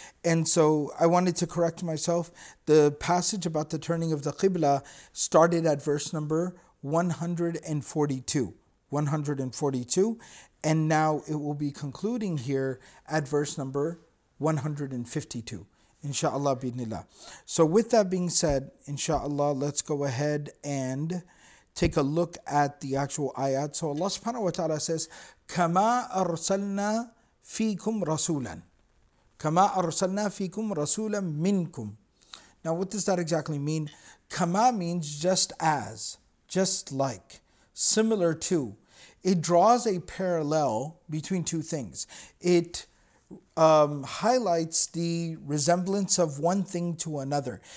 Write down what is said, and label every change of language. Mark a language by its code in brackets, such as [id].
[en] And so I wanted to correct myself. The passage about the turning of the qibla started at verse number 142, and now it will be concluding here at verse number 152. Insha'Allah, bi'idhnillah. So with that being said, insha'Allah, let's go ahead and take a look at the actual ayat. So Allah subhanahu wa ta'ala says, [ar] كَمَا أَرْسَلْنَا فِيكُمْ رَسُولًا كَمَا أَرْسَلْنَا فِيكُمْ رَسُولًا مِنْكُمْ. [en] Now what does that exactly mean? كَمَا means just as, just like, similar to. It draws a parallel between two things. It highlights the resemblance of one thing to another.